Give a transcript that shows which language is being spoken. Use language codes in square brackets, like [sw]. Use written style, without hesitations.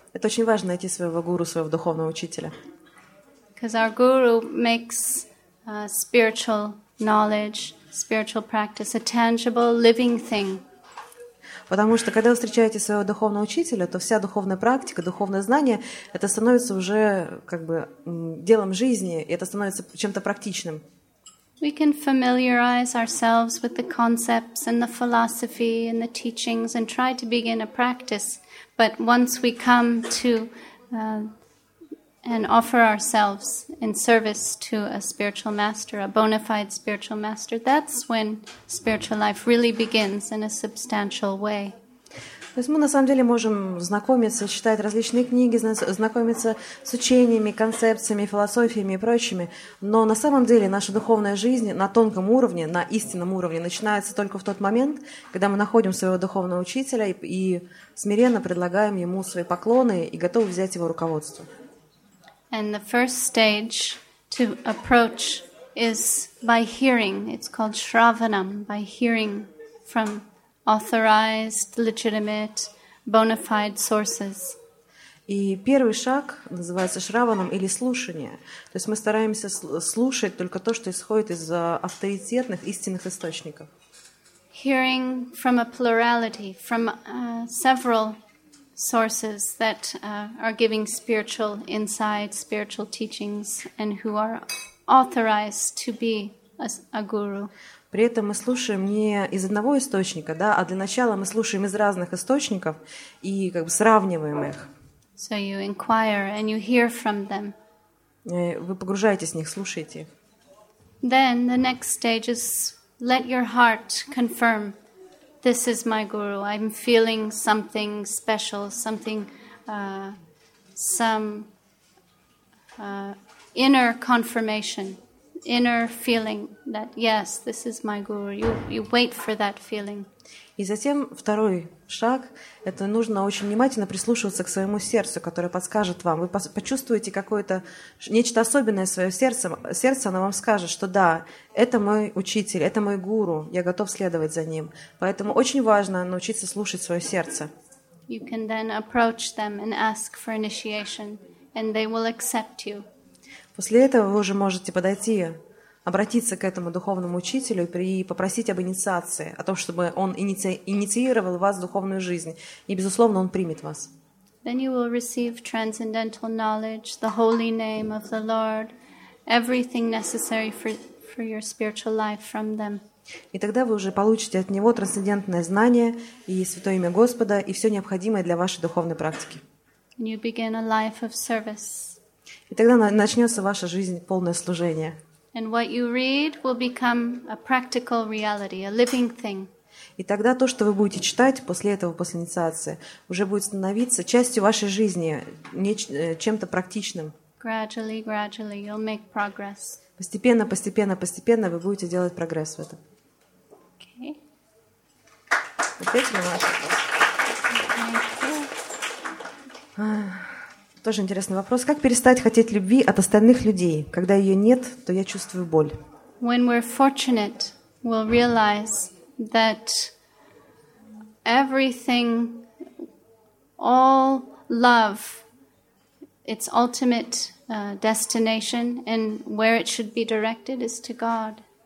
[ru] Это очень важно найти своего гуру, своего духовного учителя. [en] Because our guru makes spiritual knowledge, spiritual practice a tangible living thing. [ru] Потому что когда вы встречаете своего духовного учителя, то вся духовная практика, духовное знание, это становится уже как бы делом жизни, и это становится чем-то практичным. [en] We can familiarize ourselves with the concepts and the philosophy and the teachings and try to begin a practice, but once we come to and offer ourselves in service to a spiritual master, a bona fide spiritual master, that's when spiritual life really begins in a substantial way. [ru] То есть мы на самом деле можем знакомиться, читать различные книги, знакомиться с учениями, концепциями, философиями и прочими, но на самом деле наша духовная жизнь на тонком уровне, на истинном уровне начинается только в тот момент, когда мы находим своего духовного учителя и смиренно предлагаем ему свои поклоны и готовы взять его руководство. [en] And the first stage to approach is by hearing. It's called shravanam, by hearing from authorized, legitimate, bona fide sources. [ru] И первый шаг называется шраванам или слушание. То есть мы стараемся слушать только то, что исходит из авторитетных, истинных источников. [en] Hearing from a plurality, from several sources that are giving spiritual insights, spiritual teachings, and who are authorized to be a guru. [ru] При этом мы слушаем не из одного источника, да, а для начала мы слушаем из разных источников и как бы сравниваем их. [en] So you inquire and you hear from them. [ru] Вы погружаетесь в них, слушаете. [en] Then the next stage is let your heart confirm. This is my guru. I'm feeling something special, something, some inner confirmation, inner feeling that yes, this is my guru. You wait for that feeling. [ru] И затем второй шаг. Это нужно очень внимательно прислушиваться к своему сердцу, которое подскажет вам. Вы почувствуете какое-то нечто особенное в своем сердце. Сердце, оно вам скажет, что да, это мой учитель, это мой гуру, я готов следовать за ним. Поэтому очень важно научиться слушать свое сердце. [en] You can then approach them and ask for initiation, and they will accept you. [ru] После этого вы уже можете подойти, обратиться к этому духовному учителю и попросить об инициации, о том, чтобы он инициировал вас в духовную жизнь. И, безусловно, он примет вас. [en] Then you will receive transcendental knowledge, the holy name of the Lord, everything necessary for your spiritual life from them. [ru] И тогда вы уже получите от него трансцендентное знание и святое имя Господа и все необходимое для вашей духовной практики. [en] And you begin a life of service. [ru] И тогда начнется ваша жизнь полное служение. [en] And what you read will become a practical reality, a living thing. [ru] И тогда то, что вы будете читать после этого, после инициации, уже будет становиться частью вашей жизни, чем-то практичным. [en] Gradually, gradually you'll make progress. [ru] Постепенно, постепенно, постепенно вы будете делать прогресс в этом. [en] Okay. [ru] Ответили на ваш вопрос. Тоже интересный вопрос. Как перестать хотеть любви от остальных людей? Когда ее нет, то я чувствую боль. [en] When we're fortunate, we'll realize that everything, all love, its ultimate destination and where it should be directed is to God.